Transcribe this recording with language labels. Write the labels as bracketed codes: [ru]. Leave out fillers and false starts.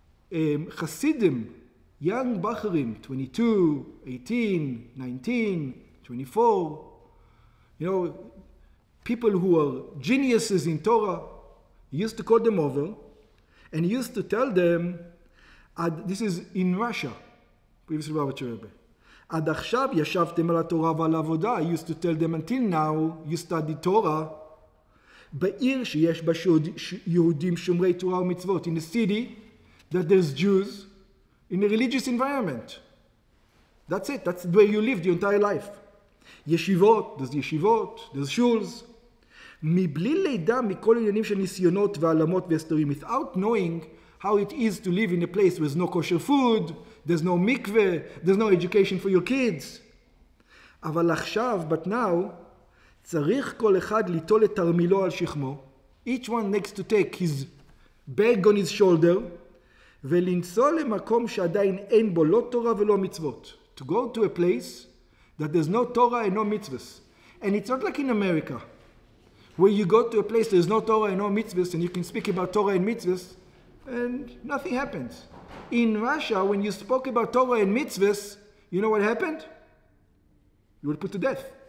[en] Hasidim, young Bacharim, 22, 18, 19, 24, you know, people who are geniuses in Torah, he used to call them over, and he used to tell them, this is in Russia, previous Lubavitcher Rebbe. [he] עד עכשיו ישבתם על התורה ועל העבודה. [en] I used to tell them, until now, you study Torah. [he] בעיר שיש בה יהודים שומרי תורה ומצוות. [en] In a city that there's Jews in a religious environment. That's it. That's where you live the entire life. ישיבות, there's ישיבות, there's shuls. [he] מבלי לידע מכל עניינים של ניסיונות ועלמות והסתרים. [en] Without knowing how it is to live in a place where there's no kosher food, there's no mikveh, there's no education for your kids. [he] אבל עכשיו, [en] but now, [he] צריך כל אחד ליטול את תרמילו על שכמו, [en] each one next to take his bag on his shoulder, [he] ולנסוע למקום שעדיין אין בו לא תורה ולא מצוות. [en] To go to a place that there's no Torah and no mitzvahs. And it's not like in America, where you go to a place there's no Torah and no mitzvahs, and you can speak about Torah and mitzvahs, and nothing happens. In Russia, when you spoke about Torah and mitzvahs, you know what happened? You were put to death.